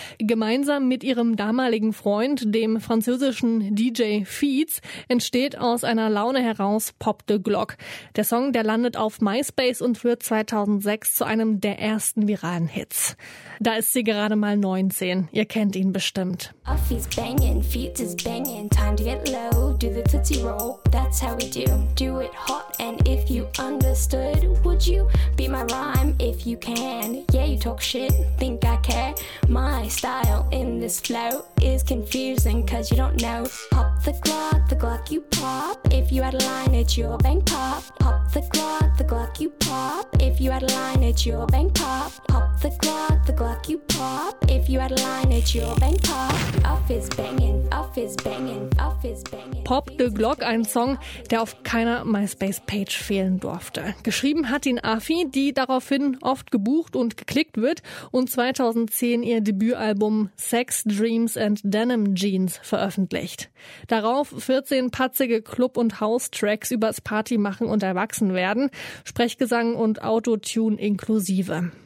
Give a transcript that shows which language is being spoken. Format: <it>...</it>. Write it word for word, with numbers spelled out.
<de>Gemeinsam mit ihrem damaligen Freund, dem französischen D J Feeds, entsteht aus einer Laune heraus Pop the Glock. Der Song, der landet auf MySpace und wird zweitausendsechs zu einem der ersten viralen Hits. Da ist sie gerade mal neunzehn. Ihr kennt ihn bestimmt.</de> <en>Affi's banging, Feeds is banging, time to get low, do the tootsie roll, that's how we do, do it hot and if you understood, would you be my rhyme if you can. Yeah, you talk shit, think I care. My style in this flow is confusing cause you don't know. Pop the Glock, the Glock you pop. If you had a line, it's your bang pop. Pop the Glock, the Glock you pop. If you had a line, it's your bang pop. Pop the Glock, the Glock you pop. If you had a line, it's your bang pop. Off is banging, off is banging, off is banging.</en> <de>Pop the Glock, ein Song, der auf keiner MySpace-Page fehlen durfte. Geschrieben hat ihn Affi, die daraufhin oft gebucht und geklickt wird und zweitausendzehn ihr Debütalbum Sex, Dreams and Denim Jeans veröffentlicht. Darauf vierzehn patzige Club- und House-Tracks übers Partymachen und Erwachsenwerden, Sprechgesang und Autotune inklusive.</de>